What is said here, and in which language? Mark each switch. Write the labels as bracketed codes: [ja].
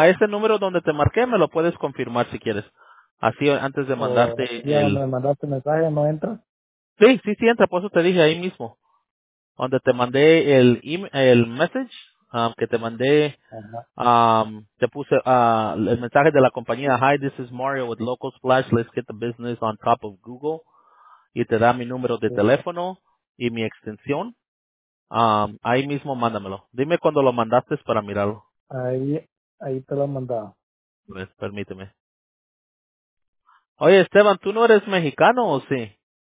[es] A ese número donde te marqué, me lo puedes confirmar si quieres. Así antes de mandarte. ¿Me mandaste mensaje? ¿No entra? Sí, entra. Por eso te dije ahí mismo. Donde te mandé el message que te mandé. Ajá. Te puse el mensaje de la compañía. [en] Hi, this is Mario with Local Splash. Let's get the business on top of Google. [es] Y te da mi número de teléfono y mi extensión. Ahí mismo mándamelo. Dime cuando lo mandaste para mirarlo. Ahí te lo he mandado. Pues, permíteme. Oye, Esteban, ¿tú no eres mexicano o sí?